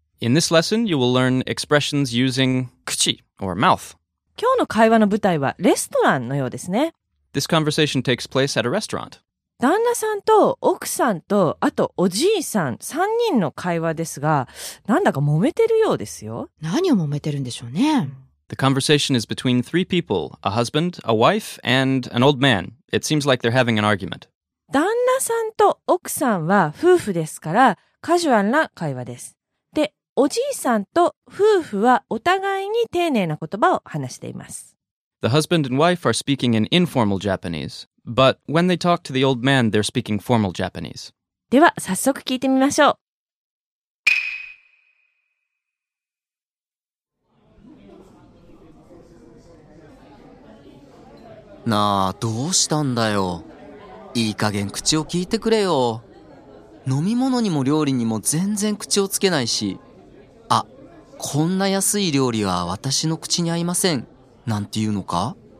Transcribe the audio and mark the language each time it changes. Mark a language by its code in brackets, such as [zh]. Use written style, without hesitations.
[en] In this lesson, you will learn expressions using 口 or mouth. [ja] 今日の会話の舞台はレストランのようですね。 [en] This conversation takes place at a restaurant. [ja] 旦那さんと奥さんとあとおじいさん3人の会話ですが、なんだか揉めてるようですよ。何を揉めてるんでしょうね。 [en] The conversation is between three people, a husband, a wife, and an old man. It seems like they're having an argument. [ja] 旦那さんと奥さんは夫婦ですから、カジュアルな会話です。おじいさんと夫婦はお互いに丁寧な言葉を話しています。 [en] The husband and wife are speaking in informal Japanese, but when they talk to the old man, they're speaking formal Japanese. [ja] では、早速聞いてみましょう。なあ、どうしたんだよ。いい加減口を聞いてくれよ。飲み物にも料理にも全然口をつけないし、こんな安い料理は私の口に合いません、なんて言うのか。